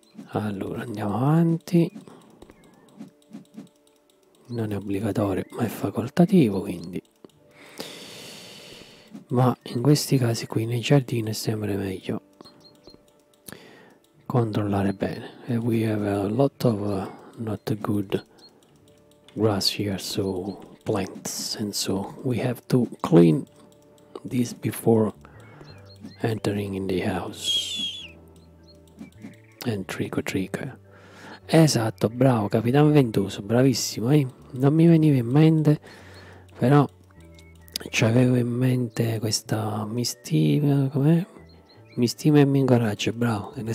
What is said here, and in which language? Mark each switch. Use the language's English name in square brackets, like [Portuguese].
[Italian] Allora, andiamo avanti, non è obbligatorio ma è facoltativo, quindi, ma in questi casi qui nei giardini è sempre meglio controllare bene. [English] And we have a lot of not good grass here, so plants, and so we have to clean this before entering in the house. And trico. [Italian] Esatto, bravo Capitan Ventoso, bravissimo, non mi veniva in mente, però ci avevo in mente questa mistima, com'è? Mi stima e mi incoraggia, bravo.